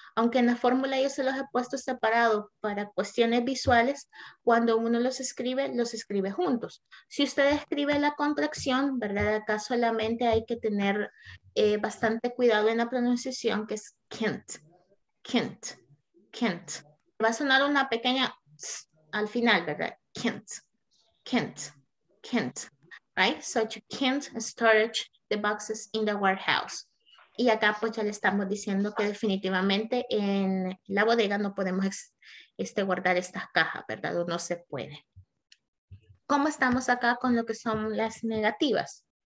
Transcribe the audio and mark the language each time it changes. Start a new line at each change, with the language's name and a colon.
Spanish: Aunque en la fórmula yo se los he puesto separado para cuestiones visuales, cuando uno los escribe juntos. Si usted escribe la contracción, ¿verdad? Acá solamente hay que tener bastante cuidado en la pronunciación, que es can't, can't, can't. Va a sonar una pequeña tss al final, ¿verdad?
English: Can't, can't, can't. Right? So you can't store the boxes in the warehouse.
Spanish: Y acá pues ya le estamos diciendo que definitivamente en la bodega no podemos guardar estas cajas, ¿verdad? O no se puede. ¿Cómo estamos acá con lo que son las negativas?